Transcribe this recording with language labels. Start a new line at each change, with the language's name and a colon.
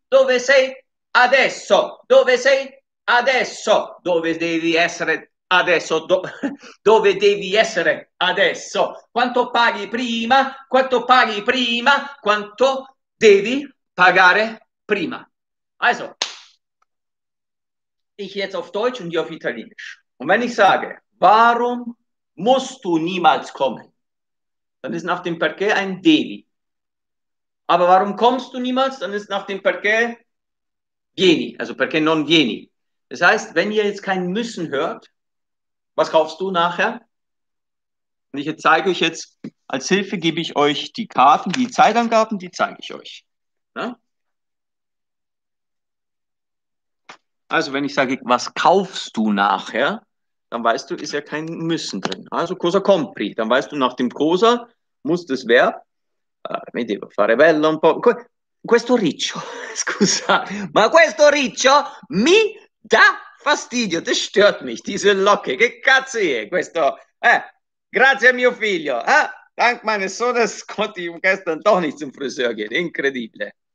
Italian: Dove sei adesso? Dove sei adesso? Dove devi essere adesso? Dove devi essere adesso? Quanto paghi prima? Quanto paghi prima? Quanto devi pagare prima?
German: Also, ich jetzt auf Deutsch und auf Italienisch. Und wenn ich sage, warum musst du niemals kommen? Dann ist nach dem Perché ein devi. Aber warum kommst du niemals? Dann ist nach dem Perché vieni. Also perché non vieni. Das heißt, wenn ihr jetzt kein müssen hört, was kaufst du nachher? Und ich zeige euch jetzt, als Hilfe gebe ich euch die Karten, die Zeitangaben, die zeige ich euch. Ja? Also wenn ich sage, was kaufst du nachher, dann weißt du, ist ja kein müssen drin. Also
Italian: cosa compri,
German: dann weißt du, nach dem cosa muss das Verb,
Italian: mi devo fare bello un po', questo riccio, scusa, ma questo riccio mi dà fastidio,
German: das stört mich, diese Locke,
Italian: che cazzo è questo? Grazie a mio figlio,
German: dank meines Sohnes konnte ich gestern doch nicht zum Friseur gehen, incredibile.